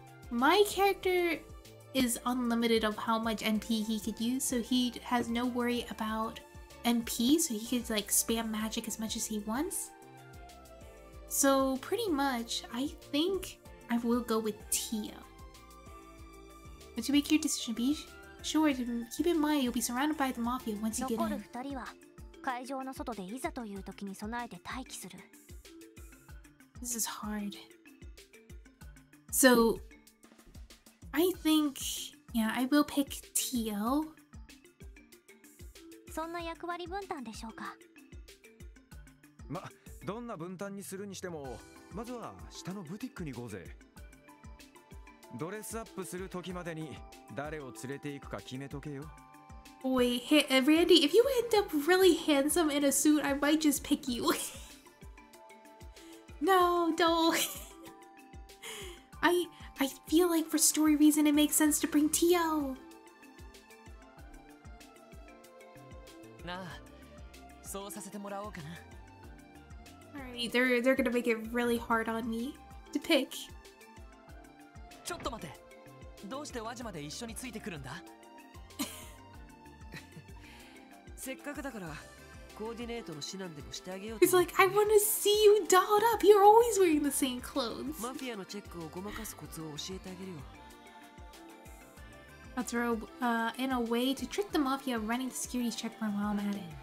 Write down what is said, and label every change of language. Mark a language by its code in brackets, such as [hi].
[en] My character is unlimited of how much MP he could use, so he has no worry about MP, so he could like spam magic as much as he wants. So pretty much, I think I will go with Tio. But to make your decision, Beach? Sure, keep in mind you'll be surrounded by the mafia once you get in. [ja] 残る二人は会場の外でいざという時に備えて待機する。 [en] This is hard. So, I think, yeah, I will pick Tio. [ja] そんな役割分担でしょうか。ま、どんな分担にするにしても、まずは下のブティックに行こうぜ。ドレスアップする時までに誰を連れて行くか決めとけよ。 [en] おい、Randy, if you end up really handsome in a suit, I might just pick you. No, don't. I feel like for story reason it makes sense to bring Tio. [ja] なあ、そうさせてもらおうかな。 [en] Alright, they're gonna make it really hard on me to pick. [ja] ちょっと待て。どうして輪島で一緒についてくるんだ。せっかくだからコーディネートの指南でもしてあげようと。 [en] It's like I want to see you dolled up. You're always wearing the same clothes. [ja] マフィアのチェックをごまかすコツを教えてあげるよ。 [en] Let's roll in a way to trick them off. You are running the security checkpoint while I'm at it.